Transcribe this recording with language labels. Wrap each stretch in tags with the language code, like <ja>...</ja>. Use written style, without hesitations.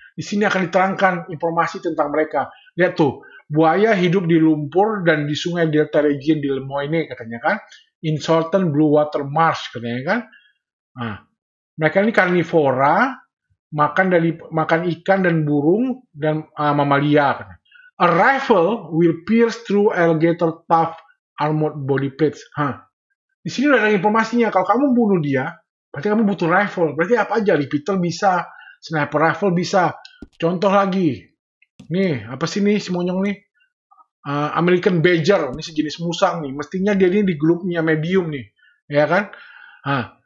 <id>Di sini akan diterangkan informasi tentang mereka. Lihat tuh, buaya hidup di lumpur dan di sungai Delta Region di Lemoyne katanya kan.</id> <en>In Southern Blue Water Marsh</en> <id>katanya kan. Nah, mereka ini karnivora, makan ikan dan burung dan mamalia.</id> <en>A rifle will pierce through alligator tough armored body plates. Hah.</en> <id>Di sini ada informasinya, kalau kamu bunuh dia, berarti kamu butuh rifle. Berarti apa aja? Repeater bisa, sniper rifle bisa. Contoh lagi. Nih, apa sih nih si monyong nih? American badger, ini sejenis musang nih. Mestinya dia ini di grupnya medium nih. Ya kan? Hah.</id>